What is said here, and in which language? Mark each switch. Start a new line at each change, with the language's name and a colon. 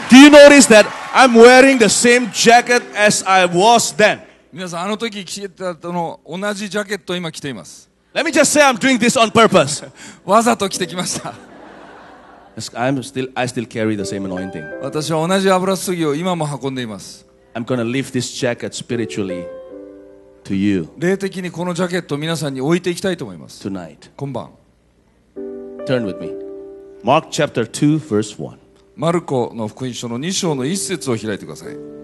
English: Notice that I'm wearing the same jacket as I was then.
Japanese: 皆さん、あの時着てたの同じジャケットを今着ています。
English: Let me just say I'm doing this on purpose.
Japanese: わざと着てきました。
English: I still carry the same anointing.
Japanese: 私は同じ油注ぎを今も運んでいます。
English: I'm gonna leave this jacket spiritually to you.
Japanese: 霊的にこのジャケットを皆さんに置いていきたいと思います。
English: Tonight.
Japanese: 今晩。
English: Turn with me. Mark chapter 2 verse 1.
Japanese: マルコの福音書の2章の1節を開いてください。